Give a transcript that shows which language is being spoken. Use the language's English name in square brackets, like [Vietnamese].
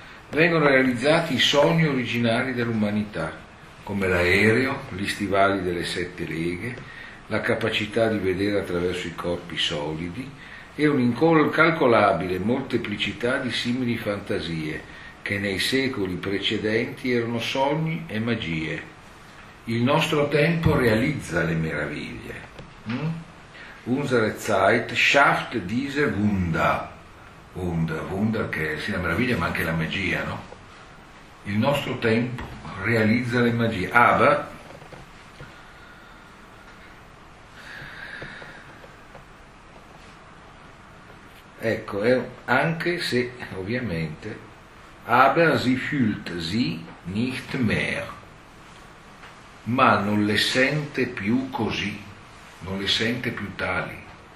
[Italian] Vengono realizzati i sogni originari dell'umanità, come l'aereo, gli stivali delle sette leghe, la capacità di vedere attraverso i corpi solidi e un'incalcolabile molteplicità di simili fantasie che nei secoli precedenti erano sogni e magie. Il nostro tempo realizza le meraviglie. [German] Unsere Zeit schafft diese Wunder. [Italian] Wunder che è sia la meraviglia ma anche la magia, no? Il nostro tempo realizza le magie. Aber ecco, anche se ovviamente aber sie fühlt sie nicht mehr, ma non le sente più così, non le sente più tali.